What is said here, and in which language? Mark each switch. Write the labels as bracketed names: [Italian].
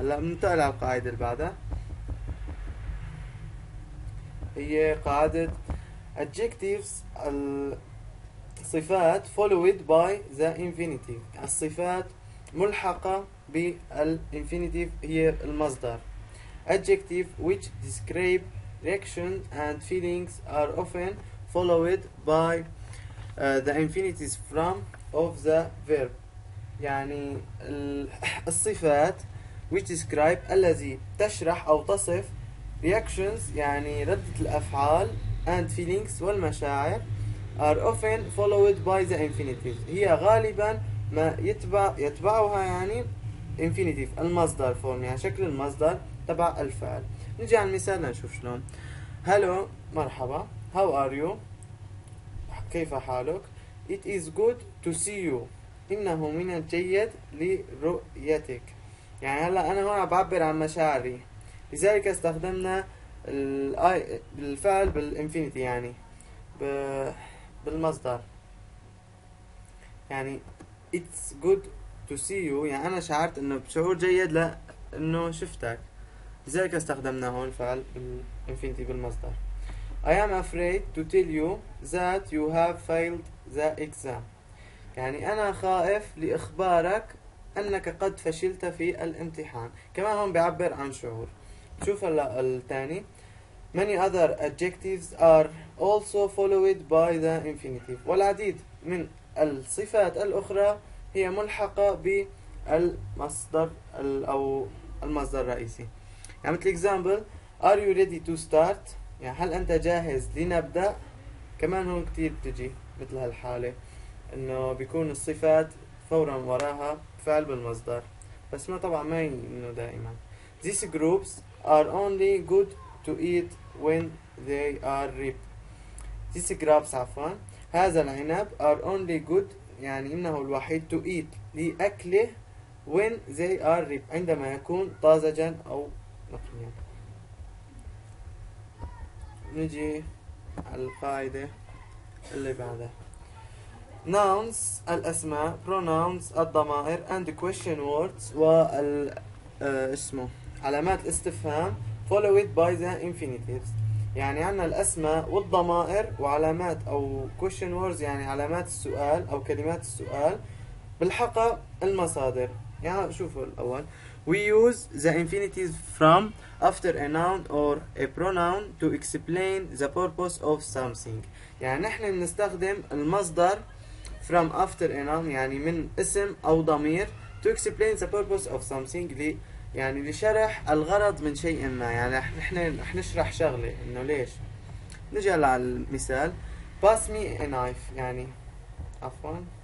[Arabic] هلا بننتقل على القاعدة اللي بعدها، هي قاعدة adjectives الصفات [English] followed by the infinitive. [Arabic] الصفات ملحقة بالinfinitive هي المصدر. [English] adjective which describe reactions and feelings are often followed by the infinities from of the verb. [Arabic] يعني الصفات [English] which describe [Arabic] الذي تشرح أو تصف [English] reactions [Arabic] يعني ردة الأفعال [English] and feelings [Arabic] والمشاعر [English] are often followed by the infinities [Arabic] هي غالبا ما يتبعها يعني infinitive المصدر [English] form [Arabic] يعني شكل المصدر تبع الفعل. نجي على المثال نشوف شلون. [English] hello [Arabic] مرحبا [English] how are you [Arabic] كيف حالك؟ [English] It is good to see you. [Arabic] إنه من الجيد لرؤيتك. يعني هلا أنا هون بعبر عن مشاعري، لذلك استخدمنا الفعل بالإنفينيتي يعني بالمصدر. [English] يعني It's good to see you. [Arabic] يعني أنا شعرت إنه بشعور جيد لأنه شفتك، لذلك استخدمنا هون الفعل بالإنفينيتي بالمصدر. [English] I am afraid to tell you that you have failed the exam. [Arabic] يعني أنا خائف لإخبارك أنك قد فشلت في الامتحان. كمان هون بيعبر عن شعور. شوف هلا الثاني. [English] Many other adjectives are also followed by the infinitive. [Arabic] والعديد من الصفات الأخرى هي ملحقة بالمصدر أو المصدر الرئيسي. يعني مثل [English] example, are you ready to start? [Arabic] يعني هل أنت جاهز لنبدأ؟ كمان هون كتير بتجي مثل هالحالة إنه بيكون الصفات فورا وراها فعل بالمصدر، بس ما طبعا ما إنه دائما. [English] These groups are only good to eat when they are ripe. These grapes عفوا. [Arabic] هذا العنب [English] are only good [Arabic] يعني إنه الوحيد [English] to eat [Arabic] لأكله [English] when they are ripe [Arabic] عندما يكون طازجا أو نقيا. نجي على القاعدة اللي بعدها. [English] Nouns [Arabic] الأسماء, [English] pronouns [Arabic] الضمائر, [English] and question words [Arabic] وال اسمه علامات الاستفهام, [English] followed by the infinitives. [Arabic] يعني عنا الأسماء والضمائر وعلامات أو [English] question words [Arabic] يعني علامات السؤال أو كلمات السؤال بالحق المصادر. يعني شوفوا الأول. [English] We use the infinitives from after a noun or a pronoun to explain the purpose of something. [Arabic] يعني نحن نستخدم المصدر [English] from after a noun [Arabic] يعني من اسم أو ضمير [English] to explain the purpose of something [Arabic] لي يعني لشرح الغرض من شيء ما. يعني نحن رح نشرح شغلة إنه ليش. نجي على المثال. [English] Pass me a knife [Arabic] يعني عفوا.